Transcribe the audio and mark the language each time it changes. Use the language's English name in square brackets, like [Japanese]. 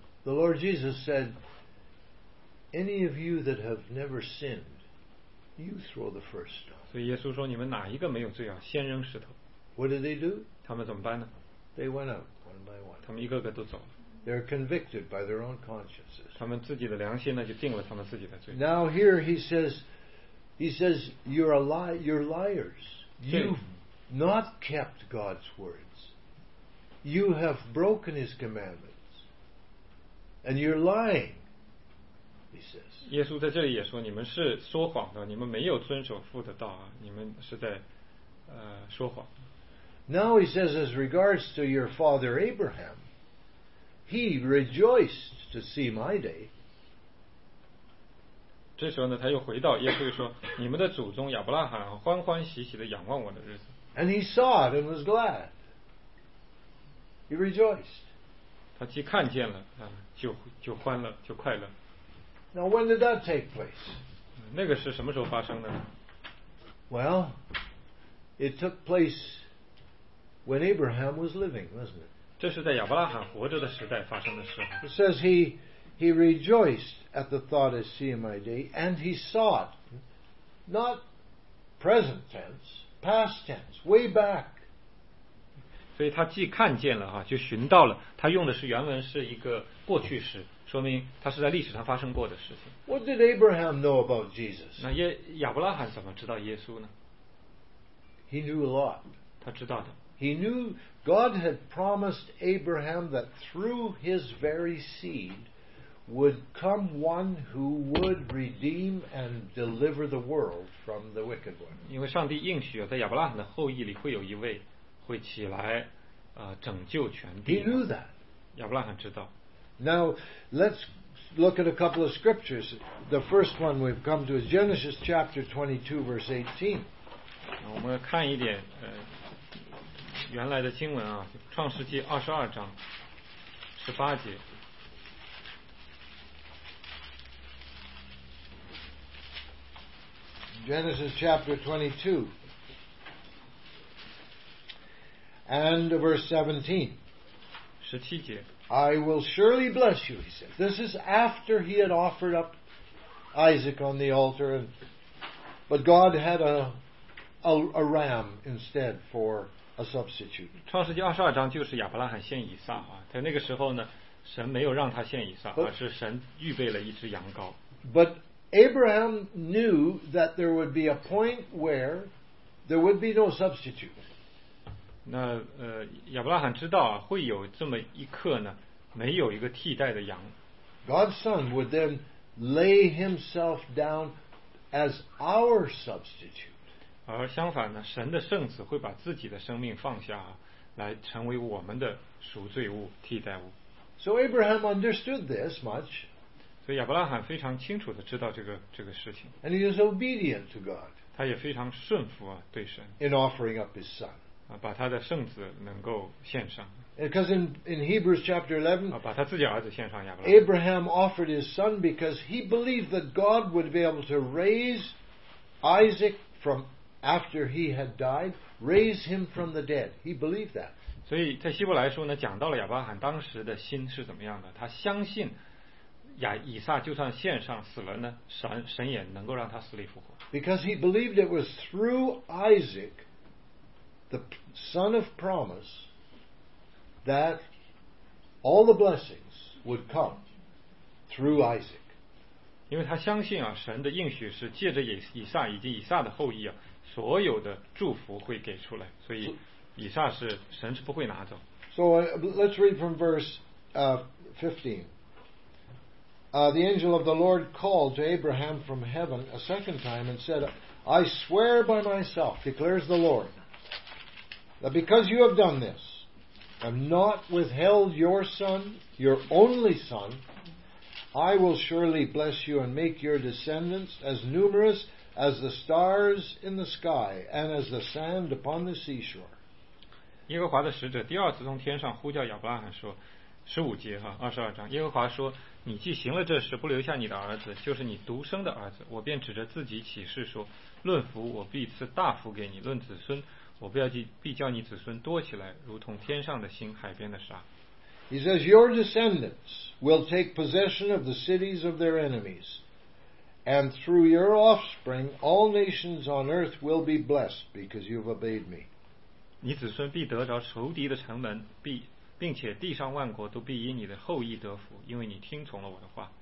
[English] The Lord Jesus said, "Any of you that have never sinned, you throw the first stone." [Chinese] 所以耶稣说，你们哪一个没有罪啊，先扔石头。 [English] What did they do? [Chinese] 他们怎么办呢？ [English] They went out one by one. [Chinese] 他们一个个都走了。 [English] They're convicted by their own consciences. [Chinese] 他们自己的良心呢，就定了他们自己的罪。 [English] Now here he says, you're liars. You've not kept God's words. You have broken His commandments. And you're lying, He says. [Chinese] 耶稣在这里也说，你们是说谎的，你们没有遵守父的道啊，你们是在说谎。 [English] Now he says, as regards to your father Abraham, he rejoiced to see my day. [Chinese] 这时候呢，他又回到耶稣说，你们的祖宗亚伯拉罕欢欢喜喜的仰望我的日子。 [English] And he saw it and was glad. He rejoiced. [Chinese] 他既看见了啊，就欢了，就快乐。 [English] Now when did that take place? [Chinese] 那个是什么时候发生的呢？ [English] Well, it took place. When Abraham was living, wasn't it? [Chinese] 这是在亚伯拉罕活着的时代发生的事。 [English] It says he rejoiced at the thought of seeing my day, and he saw it, not present tense, past tense, way back. [Chinese] 所以他既看见了就寻到了。他用的是原文是一个过去时，说明他是在历史上发生过的事情。 [English] What did Abraham know about Jesus? [Chinese] 那亚伯拉罕怎么知道耶稣呢？ [English] He knew a lot. [Chinese] 他知道的。 [English] He knew God had promised Abraham that through his very seed would come one who would redeem and deliver the world from the wicked one. [Chinese] 因为上帝应许在亚伯拉罕的后裔里会有一位会起来拯救全地。 [English] He knew that. [Chinese] 亚伯拉罕知道。 [English] Now, let's look at a couple of scriptures. The first one we've come to is Genesis chapter 22, verse 18. [Chinese] 我们看一点原来的经文啊，《创世纪》二十二章十八节。 [English] Genesis chapter 22 and verse 17. [Chinese] 十七节。 [English] I will surely bless you, he said. This is after he had offered up Isaac on the altar, but God had a ram instead for. A substitute. [Chinese] 创世纪二十二章就是亚伯拉罕献以撒啊，在那个时候呢，神没有让他献以撒，而是神预备了一只羊羔。 [English] But Abraham knew that there would be a point where there would be no substitute. [Chinese] 那亚伯拉罕知道啊，会有这么一刻呢，没有一个替代的羊。 [English] God's son would then lay himself down as our substitute. [Chinese] 而相反呢，神的圣子会把自己的生命放下啊，来成为我们的赎罪物、替代物。 [English] So Abraham understood this much. [Chinese] 所以亚伯拉罕非常清楚地知道这个事情。 [English] And he is obedient to God. [Chinese] 他也非常顺服啊，对神。 [English] In offering up his son. [Chinese] 啊，把他的圣子能够献上。 [English] Because in Hebrews chapter 11. [Chinese] 啊，把他自己儿子献上亚伯拉罕。 [English] Abraham offered his son because he believed that God would be able to raise Isaac from. After he had died, raise him from the dead. He believed that. [Chinese] 所以在希伯来书呢，讲到了亚伯拉罕当时的心是怎么样的。他相信以撒就算献上死了呢，神也能够让他死里复活。 [English] Because he believed it was through Isaac, the son of promise, that all the blessings would come through Isaac. [Chinese] 因为他相信啊，神的应许是借着以撒以及以撒的后裔啊。所有的祝福会给出来，所以以撒是神是不会拿走。 [English] So let's read from verse 15. The angel of the Lord called to Abraham from heaven a second time and said, I swear by myself, declares the Lord, that because you have done this, have not withheld your son, your only son, I will surely bless you and make your descendants as numerous. As the stars in the sky and as the sand upon the seashore. [Chinese] 耶和华的使者第二次从天上呼叫亚伯拉罕说，十五节哈，二十二章。耶和华说，你既行了这事，不留下你的儿子，就是你独生的儿子，我便指着自己起誓说，论福我必赐大福给你，论子孙我必叫你子孙多起来，如同天上的星，海边的沙。 [English] He says, Your descendants will take possession of the cities of their enemies. And through your offspring, all nations on earth will be blessed because you've obeyed me. [Chinese] 你子孙必得着仇敌的城门，并且地上万国都必因你的后裔得福，因为你听从了我的话。